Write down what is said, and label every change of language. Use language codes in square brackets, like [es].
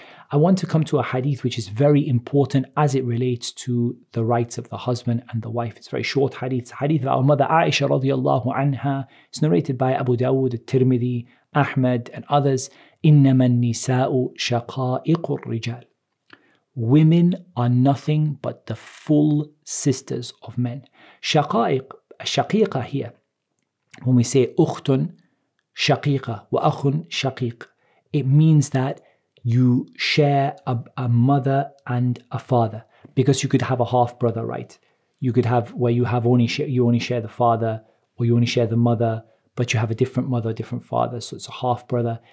[en] I want to come to a hadith which is very important as it relates to the rights of the husband and the wife. It's a very short hadith. It's a hadith of our mother Aisha radiallahu anha. It's narrated by Abu Dawood, Tirmidhi, Ahmed and others. [ar] إِنَّمَا النِّسَاءُ شَقَائِقُ الرِّجَالِ, [en] women are nothing but the full sisters of men. [ar] شقائق, الشقيقة [en] here. When we say [ar] أُخْتٌ شَقِيقَ وَأَخٌ شَقِيقَ, [en] it means that you share a mother and a father, because you could have a half brother, right? You could have where you only share the father, or you only share the mother, but you have a different mother, different father, so it's a half brother.